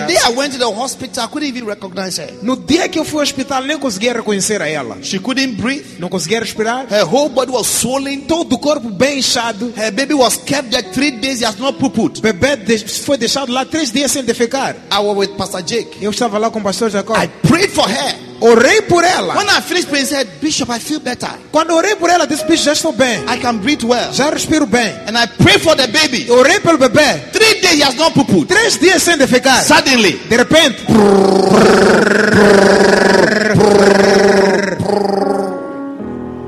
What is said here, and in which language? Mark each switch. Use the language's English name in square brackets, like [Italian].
[English] The day I went to the hospital, I couldn't even recognize her. [Portuguese] No dia que eu fui ao hospital, nem conseguia reconhecer a ela. [English] She couldn't breathe. [Portuguese] Não conseguia respirar. [English] Her whole body was swollen. [Portuguese] Todo o corpo bem inchado. [English] Her baby was kept there 3 days, he has not pooped. [Portuguese] Bebê foi deixado lá 3 dias sem defecar. [English] I was with Pastor Jake. [Portuguese] Eu estava lá com o Pastor Jacob. [English] I prayed for her. [Portuguese] Orei por ela. [English] When I finished praying, said, Bishop, I feel better. [Portuguese] Quando orei por ela, disse, Bishop, já estou bem. [English] I can breathe well. [Portuguese] Já respiro bem. [English] And I pray for the baby. [Portuguese] Orei pelo bebê. [English] 3 days he has not pooped. [Portuguese] 3 dias sem defecar. [English] Suddenly, [Portuguese] de repente, brrr,